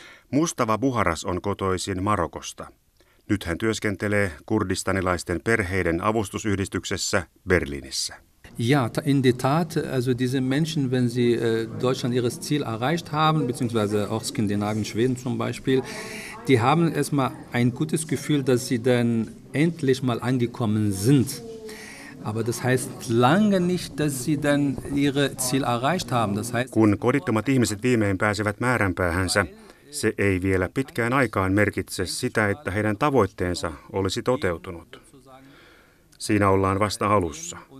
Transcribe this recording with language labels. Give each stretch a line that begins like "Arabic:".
Finnish: Mustava Buharas on kotoisin Marokosta. Nyt hän työskentelee kurdistanilaisten perheiden avustusyhdistyksessä Berliinissä.
German: Ja, in der Tat, also diese Menschen, wenn sie Deutschland ihres Ziel erreicht haben, beziehungsweise auch Skandinavien, Schweden zum Beispiel, die haben erstmal ein gutes Gefühl, dass sie dann endlich mal angekommen sind. Aber das heißt lange nicht, dass sie dann ihre Ziel erreicht haben. Das heißt,
Finnish: kun kodittomat ihmiset viimein pääsevät määränpäähänsä, se ei vielä pitkään aikaan merkitse sitä, että heidän tavoitteensa olisi toteutunut. Siinä ollaan vasta alussa.